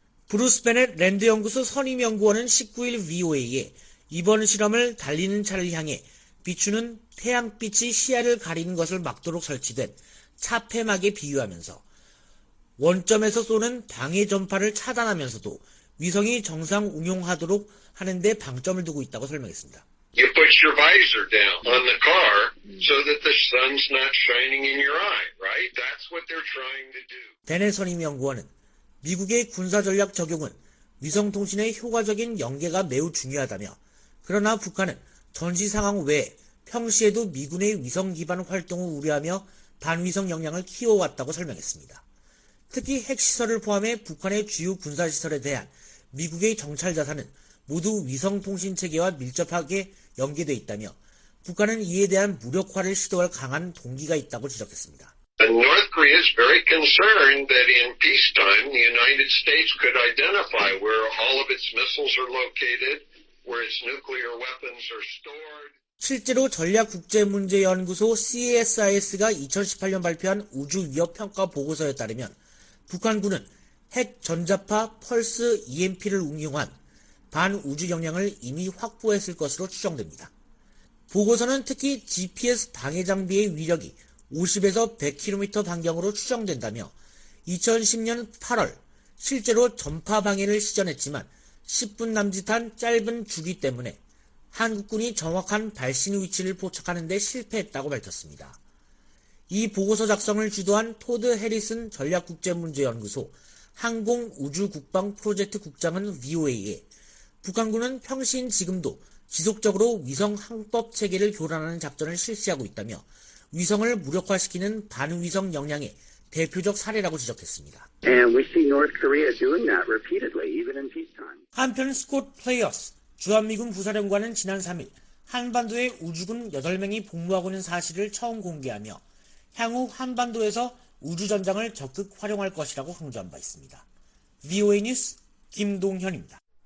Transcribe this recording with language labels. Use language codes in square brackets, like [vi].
[ko] 브루스 베넷 랜드연구소 선임연구원은 19일 VOA에 이번 실험을 달리는 차를 향해 비추는 태양빛이 시야를 가리는 것을 막도록 설치된 차폐막에 비유하면서 원점에서 쏘는 방해 전파를 차단하면서도 위성이 정상 운용하도록 하는 데 방점을 두고 있다고 설명했습니다. [en] You put your visor down on the car so that the sun's not shining in your eye, right? That's what they're trying to do. [ko] 베넷 선임연구원은 미국의 군사전략 적용은 위성통신의 효과적인 연계가 매우 중요하다며 그러나 북한은 전시 상황 외에 평시에도 미군의 위성 기반 활동을 우려하며 반위성 역량을 키워왔다고 설명했습니다. 특히 핵시설을 포함해 북한의 주요 군사시설에 대한 미국의 정찰 자산은 모두 위성통신체계와 밀접하게 연계되어 있다며 북한은 이에 대한 무력화를 시도할 강한 동기가 있다고 지적했습니다. [en] North Korea is very concerned that in peacetime the United States could identify where all of its missiles are located, where its nuclear weapons are stored. [ko] 실제로 전략국제문제연구소 CSIS가 2018년 발표한 우주위협평가보고서에 따르면 북한군은 핵전자파 펄스 EMP를 응용한 반우주 역량을 이미 확보했을 것으로 추정됩니다. 보고서는 특히 GPS 방해 장비의 위력이 50에서 100km 반경으로 추정된다며 2010년 8월 실제로 전파 방해를 시전했지만 10분 남짓한 짧은 주기 때문에 한국군이 정확한 발신 위치를 포착하는 데 실패했다고 밝혔습니다. 이 보고서 작성을 주도한 토드 해리슨 전략국제문제연구소 항공우주국방프로젝트 국장은 VOA에 북한군은 평시인 지금도 지속적으로 위성 항법체계를 교란하는 작전을 실시하고 있다며 위성을 무력화시키는 반위성 역량의 대표적 사례라고 지적했습니다. [en] And we see North Korea doing that repeatedly, even in peacetime. [ko] 한편 스콧 플레이어스 주한미군 부사령관은 지난 3일 한반도에 우주군 8명이 복무하고 있는 사실을 처음 공개하며 향후 한반도에서 우주전장을 적극 활용할 것이라고 강조한 바 있습니다. VOA 뉴스 김동현입니다.